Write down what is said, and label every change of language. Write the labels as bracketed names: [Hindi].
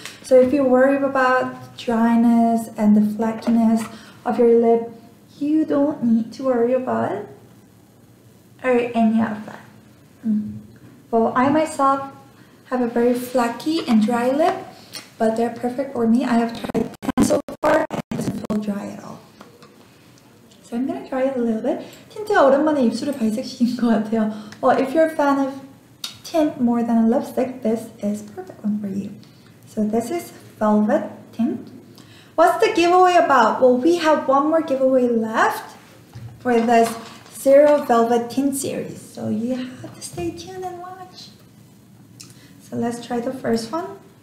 [English] So if you worry about dryness and the flakiness of your lip, you don't need to worry about it. or any of that. Well, I myself have a very flaky and dry lip, but they're perfect for me. I have tried 10 so far and it doesn't feel dry at all. So I'm gonna try it a little bit. [Korean] TINT가 오랜만에 입술을 발색시킨 것 같아요. [English] Well, if you're a fan of TINT more than a lipstick, this is perfect one for you. So this is Velvet TINT. What's the giveaway about? Well, we have one more giveaway left for this Zero Velvet TINT series. So you have to stay tuned and watch. So let's try the first one.